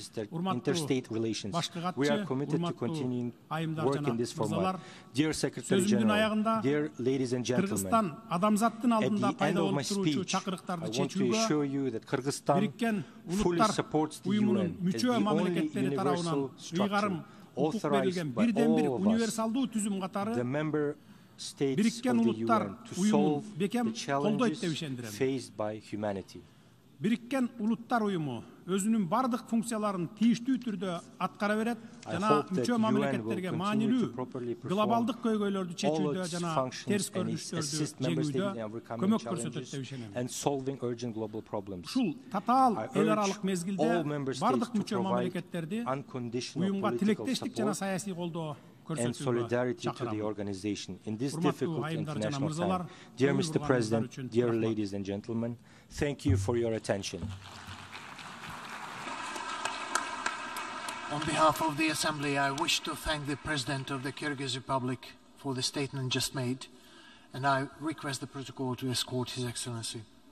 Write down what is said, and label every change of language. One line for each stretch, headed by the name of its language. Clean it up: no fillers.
Kyrgyz: Урматтуу башкы катчы, урматтуу
English: Dear Secretary General, dear ladies and gentlemen, at the end of my speech, I want to assure you that Kyrgyzstan fully supports the UN as the only universal structure authorized by all of us, the member states of the UN, to solve the challenges faced by humanity.
Kyrgyz: Бириккен Улуттар Уюму өзүнүн бардык функцияларын тийиштүү түрдө аткара берет жана мүчө мамлекеттерге маанилүү глобалдык көйгөйлөрдү чечүүдө жана терс көрүнүштөрдү жеңүүдө көмөк көрсөтөт деп ишенем. Ушул татаал эл аралык мезгилде бардык мүчө мамлекеттерди уюмга тилектештик жана саясий колдоо
English: and solidarity to the organization in this difficult international time. Dear Mr. President, dear ladies and gentlemen, thank you for your attention. On behalf of the Assembly, I wish to thank the President of the Kyrgyz Republic for the statement just made, and I request the protocol to escort His Excellency.